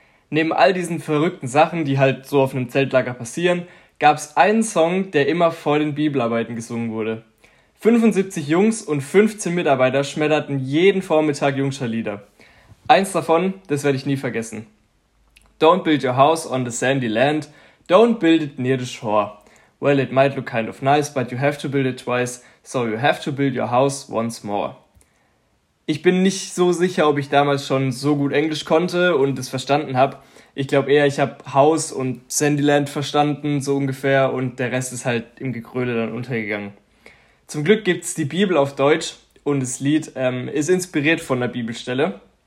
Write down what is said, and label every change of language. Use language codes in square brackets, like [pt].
[de] Neben all diesen verrückten Sachen, die halt so auf einem Zeltlager passieren, gab es einen Song, der immer vor den Bibelarbeiten gesungen wurde. 75 Jungs und 15 Mitarbeiter schmetterten jeden Vormittag Jungscherlieder. Eins davon, das werde ich nie vergessen. [en] Don't build your house on the sandy land, don't build it near the shore. Well, it might look kind of nice, but you have to build it twice, so you have to build your house once more. [de] Ich bin nicht so sicher, ob ich damals schon so gut Englisch konnte und es verstanden habe. Ich glaube eher, ich habe Haus und Sandyland verstanden, so ungefähr, und der Rest ist halt im Gegröle dann untergegangen. Zum Glück gibt es die Bibel auf Deutsch und das Lied ist inspiriert von der Bibelstelle.